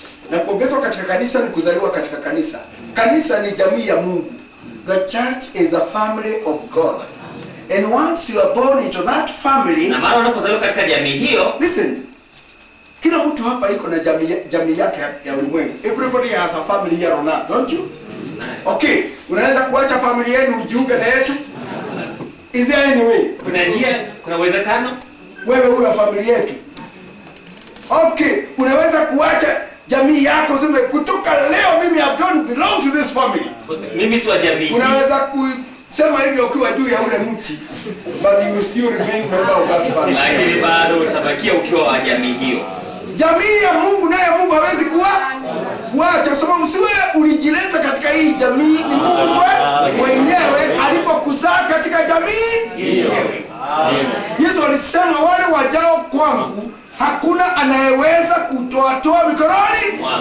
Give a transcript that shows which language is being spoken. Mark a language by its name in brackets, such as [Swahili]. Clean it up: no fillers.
[Swahili] Na kuongezwa katika kanisa ni kuzaliwa katika kanisa. Kanisa ni jamii ya Mungu. [English] The church is a family of God. And once you are born into that family, [Swahili] na mara unapozaliwa katika jamii hiyo, listen. Kila mtu hapa iko na jamii yake ya ulimwengu. [English] Everybody has a family here on earth, don't you? [Swahili] Okay, unaweza kuacha familia yenu ujiunge na yetu? [English] Is there any way? [Swahili] Kuna njia, kuna uwezekano? Wewe una familia yetu. Okay, unaweza kuacha jamii yako zime kutoka leo mimi [English] I don't belong to this family. [Swahili] Mimi si wa jamii. Unaweza kusema hivyo ukiwa juu ya ule mti. [English] But you still remain member of that family. [Swahili] Lakini bado utabakia ukiwa wa jamii hiyo. Jamii ya Mungu naye Mungu hawezi kuacha sababu usiwe ulijileta katika hii jamii ni Mungu mwenyewe alipokuzaa katika jamii hiyo. Yesu alisema wale wajao kwangu hakuna anayeweza kutoa mikononi